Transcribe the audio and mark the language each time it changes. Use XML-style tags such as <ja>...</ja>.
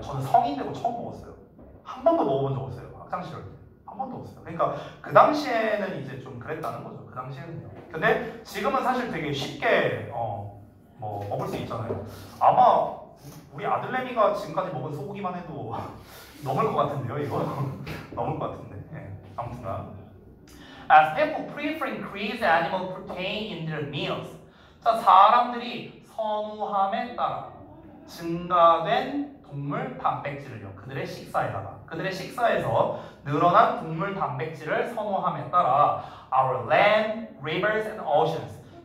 <ko>저는 성인 되고 처음 먹었어요. 한 번도 먹어본 적 없어요. 학창시절 때 한 번도 없어요. 그러니까 그 당시에는 이제 좀 그랬다는 거죠. 그 당시에는요. 근데 지금은 사실 되게 쉽게 뭐 먹을 수 있잖아요. 아마 우리 아들내미가 지금까지 먹은 소고기만 해도 넘을 것 같은데요. 이거 넘을 것 같은데.</ko> <en>아무튼 As people prefer increase animal protein in their meals.</en> <ko>자, 사람들이 선호함에 따라 증가된 동물 단백질을요. 그들의 식사에다가 그들의 식사에서 늘어난 동물 단백질을 선호함에 따라</ko> <en>our land, rivers and oceans.</en>